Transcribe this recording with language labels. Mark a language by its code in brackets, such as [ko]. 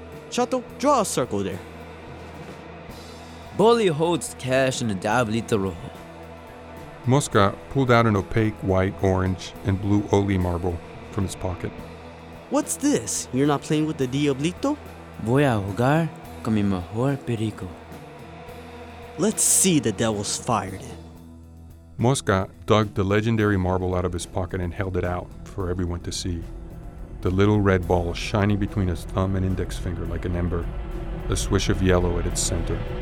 [en] Chato, draw a circle there. Boli holds the cash in the diablito rojo. Mosca pulled out an opaque white, orange, and blue Oli marble from his pocket. What's this? You're not playing with the diablito? [es] Voy a jugar con mi mejor perico. [en] Let's see the devil's fired in. Mosca dug the legendary marble out of his pocket and held it out for everyone to see. The little red ball shining between his thumb and index finger like an ember, a swish of yellow at its center.